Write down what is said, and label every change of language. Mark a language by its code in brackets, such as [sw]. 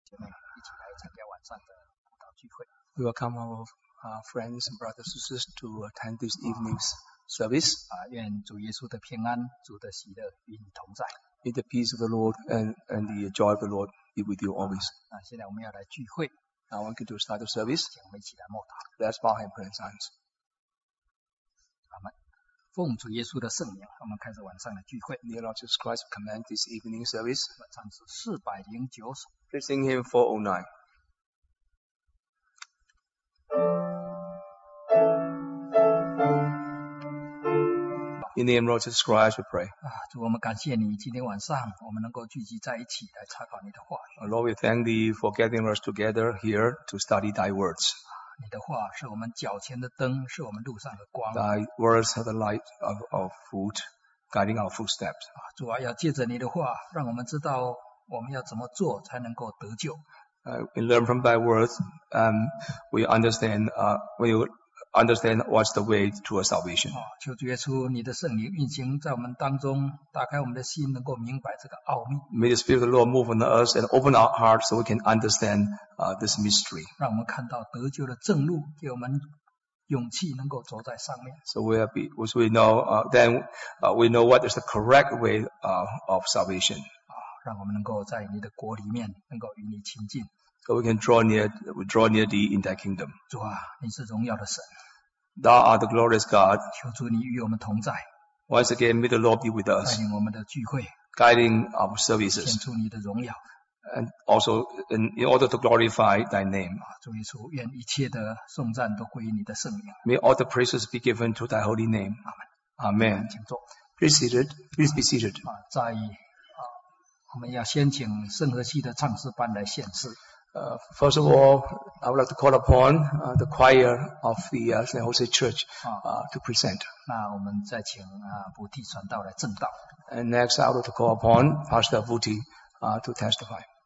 [zh] 姐妹一起来参加晚上的布道聚会。 [en] We welcome our friends and brothers and sisters to attend this evening's service. [zh] 愿主耶稣的平安，主的喜乐与你同在。 [en] May the peace of the Lord and the joy of the Lord be with you always. [zh] 现在我们要来聚会。 [en] Now we're going to start the service. [zh] 我们一起来默祷。 [en] Let's bow and pray in silence. [zh] 阿门。奉主耶稣的圣名，我们开始晚上的聚会。 [en] May Lord Jesus Christ command this evening service. [zh] 晚上是409首。 [en] Please sing hymn 409. In the name of Lord Jesus Christ, we pray. [zh] 主，我们感谢你，今天晚上我们能够聚集在一起来查考你的话语。 [en] Lord, we thank thee for getting us together here to study thy words. [zh] 你的话是我们脚前的灯，是我们路上的光。 [en] Thy words are the light of foot, guiding our footsteps. [zh] 主啊，要借着你的话，让我们知道我们要怎么做才能够得救。 [en] We learn from thy words, we understand, understand what's the way to a salvation. [zh] 求主耶稣，你的圣灵运行在我们当中，打开我们的心，能够明白这个奥秘。 [en] May the Spirit of the Lord move on us and open our hearts so we can understand this mystery. [zh] 让我们看到得救的正路，给我们勇气能够走在上面。 [en] So we know what is the correct way of salvation. [zh] 让我们能够在你的国里面，能够与你亲近。 [en] So we can draw near thee in thy kingdom. [zh] 主啊，你是荣耀的神。 [en] Thou art the glorious God. [zh] 求主你与我们同在。 [en] Once again, may the Lord be with us. [zh] 带领我们的聚会。 [en] Guiding our services. [zh] 显出你的荣耀。 [en] And also in order to glorify thy name. [zh] 主耶稣，愿一切的颂赞都归于你的圣名。 [en] May all the praises be given to thy holy name. Amen. Amen. [zh] 请坐。 [en] Please be seated. [zh] 我们要先请圣和系的唱诗班来献诗。 [en] First of all, I would like to call upon the choir of the St. Jose Church to present. [zh] 那我们再请布提传道来证道。 [en] And next, I would like to call upon Pastor Vuti to testify.